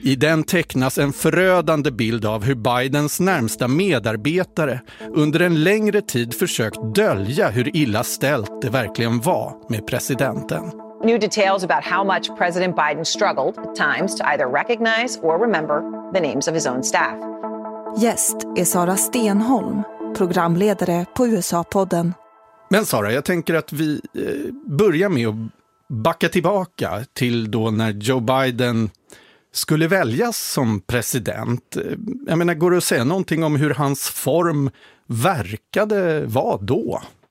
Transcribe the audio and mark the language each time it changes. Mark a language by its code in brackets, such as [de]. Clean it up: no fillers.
[sv] I den tecknas en förödande bild av hur Bidens närmsta medarbetare under en längre tid försökt dölja hur illa ställt det verkligen var med presidenten. [en] New details about how much President Biden struggled at times to either recognize or remember the names of his own staff. [sv] Gäst är Sara Stenholm, programledare på USA-podden. Men Sara, jag tänker att vi börjar med att backa tillbaka till då när Joe Biden skulle väljas som president. Jag menar, går det att säga någonting om hur hans form verkade vara då?